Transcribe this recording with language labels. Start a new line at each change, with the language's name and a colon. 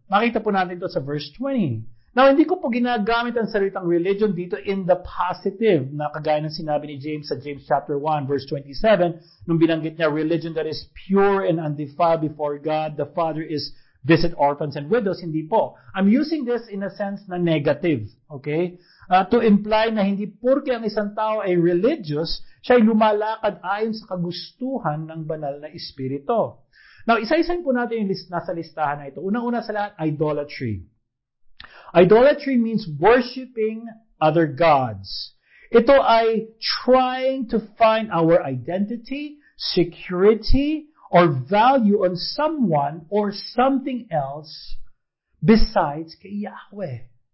Filipino: Makita po natin ito sa verse 20. Now, hindi ko po ginagamit ang salitang religion dito in the positive, na kagaya ng sinabi ni James sa James chapter 1, verse 27, nung binanggit niya, religion that is pure and undefiled before God, the Father is visit orphans and widows. Hindi po.
English: I'm using this in a sense na negative. Okay?
Filipino: To imply na hindi purke ang isang tao ay religious, siya ay lumalakad ayon sa kagustuhan ng banal na espiritu. Now, isa-isayin po natin yung list, nasa listahan na ito. Unang-una sa lahat, idolatry.
English: Idolatry means worshiping other gods. Ito ay trying to find our identity, security, or value on someone or something else besides kay Yahweh.